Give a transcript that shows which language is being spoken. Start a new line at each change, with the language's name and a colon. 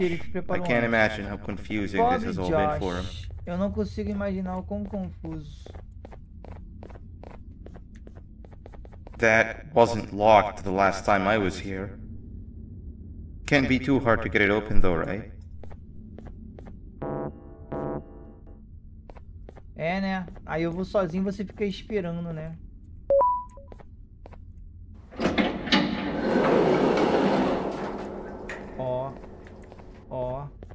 English: I can't imagine how confusing this has all been for him.
Portuguese: Eu não consigo imaginar o quão confuso.
English: That wasn't locked the last time I was here. Can't be too hard to get it open though, right?
Portuguese: É, né? Aí eu vou sozinho e você fica esperando, né? Ó. Ó.